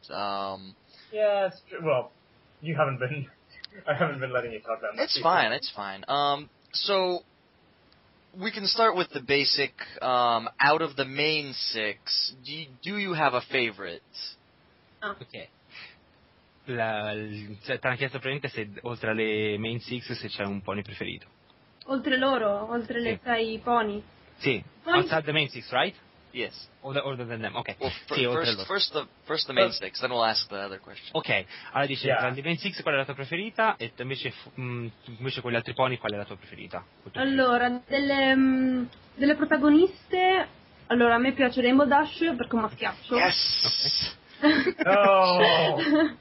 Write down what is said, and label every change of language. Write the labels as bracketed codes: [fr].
[en] Yeah, it's true. Well, you haven't been... I haven't been letting you talk about that. It's fine. So, we can start with the basic, out of the main six, do you have a favorite? Okay. [it] Ti hanno chiesto praticamente se oltre alle main six se c'è un pony preferito. Oltre loro? Oltre le sei pony? [en] Sì. Outside the main six, right? Yes. Older than them, okay. Well, first the main six, then we'll ask the other question. [it] Okay, allora dice, yeah. Tra le main six qual è la tua preferita, e invece invece con gli altri pony qual è la tua preferita? Allora, delle protagoniste, allora a me piace Rainbow Dash perché è un maschiaccio. [en] Yes! Okay. No!